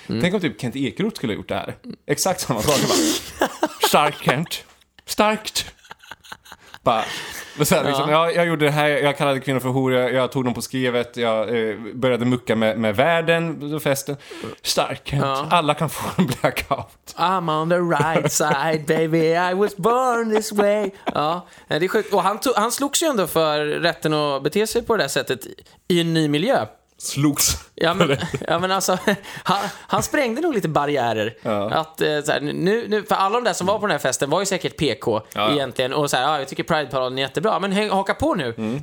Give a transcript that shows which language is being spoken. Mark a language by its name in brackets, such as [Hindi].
[Swedish] Tänk om typ Kent Ekeroth skulle ha gjort det här. Exakt samma sak. Starkt, Kent. Starkt. Bara, såhär, liksom, jag gjorde det här, jag kallade kvinnor för hor, jag tog dem på skrevet, jag började mucka med världen på festen. Starkt. Alla kan få en blackout. [English] I'm on the right side, baby, I was born this way. [Swedish] Ja, det är sjukt. Och han slogs ju ändå för rätten att bete sig på det där sättet i en ny miljö. Slogs. Ja men alltså, han sprängde nog lite barriärer. Att så här, nu för alla de där som var på den här festen var ju säkert PK egentligen, och så här, jag tycker Pride-paraden är jättebra, men haka på nu.